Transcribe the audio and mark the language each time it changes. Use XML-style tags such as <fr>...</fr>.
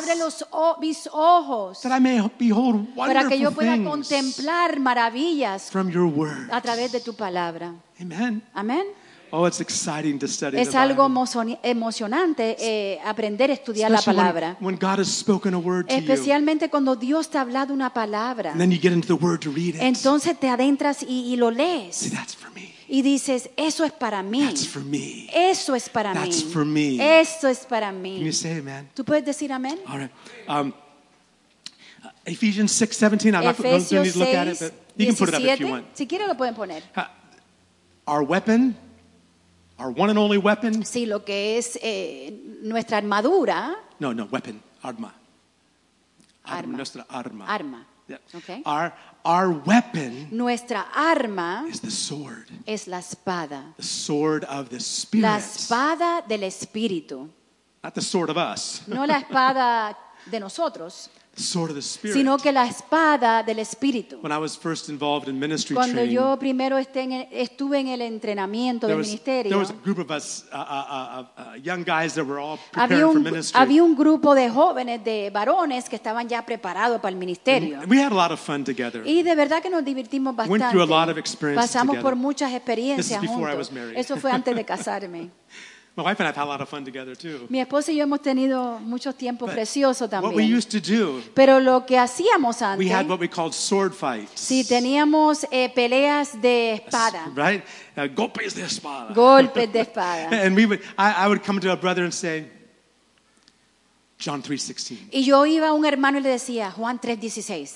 <es>Abre los mis ojos.</es> <en>That I may behold wonderful</en> <es>para que yo pueda contemplar maravillas</es> <en>from your words.</en> <es>A través de tu palabra.</es> <en>Amen.</en> <es>Amen.</es> <en>Oh, it's exciting to study.</en> <es>Es</es> <en>the</en> <es>algo</es> <en>Bible.</en> <es>Emocionante aprender a estudiar</es> <en>especially</en> <es>la palabra.</es> <en>When God has spoken a word to you.</en> <es>Especialmente cuando Dios te ha hablado una palabra.</es> <en>And then you get into the word to read it.</en> <es>Entonces te adentras y lo lees.</es> <en>See, that's for me.</en> <es>Y dices, eso es para mí.</es> <en>That's for me.</en> <es>Eso es para</es> <en>that's</en> <es>mí.</es> <en>For me.</en> <es>Eso es para mí.</es> <en>Can you say amen?</en> <es>¿Tú puedes decir amén?</es> <en>All right. Ephesians 6:17. I'm not going to need to look at it, but you 17? Can put it up if you want.</en> <es>Si quieres lo pueden poner.</es> <en>Our weapon, our one and only weapon.</en> <es>Sí, lo que es nuestra armadura.</es> <en>No, no, weapon, arma.</en> <es>Arma. Nuestra arma. Arma.</es> <en>Yeah. Okay. Our weapon</en> <es>nuestra arma</es> <en>is the sword.</en> <es>Es la espada.</es> <en>The sword of the spirit.</en> <es>La espada del espíritu.</es> <en>Not the sword of us.</en> <es>No la espada de nosotros.</es> <en>The sword of the spirit.</en> <es>Sino que la espada del espíritu.</es> <en>When I was first involved in ministry</en> <es>cuando</es> <en>training,</en> <es>yo primero estuve en el entrenamiento del ministerio.</es> <en>There was a group of us young guys that were all preparing for ministry.</en> <es>Había un grupo de jóvenes de varones que estaban ya preparados para el ministerio.</es> <en>And we had a lot of fun together.</en> <es>Y de verdad que nos divertimos bastante.</es> <en>We went through a lot of experiences</en> <es>pasamos</es> <en>together.</en> <es>Por muchas experiencias</es> <en>this is before</en> <es>juntos.</es> <en>I was married.</en> <es>Eso fue antes de casarme.</es> <en>My wife and I have had a lot of fun together too.</en> <es>Mi esposa y yo hemos tenido muchos tiempos preciosos también.</es> <en>What we used to do.</en> <es>Pero lo que hacíamos antes.</es> <en>We had what we called sword fights.</en> <es>Sí, teníamos peleas de espada. Right? Golpes de espada. Golpes de espada.</es> <en>And we would, I would come to a brother and say, John 3:16.</en> <es>Y yo iba a un hermano y le decía, Juan 3:16.</es>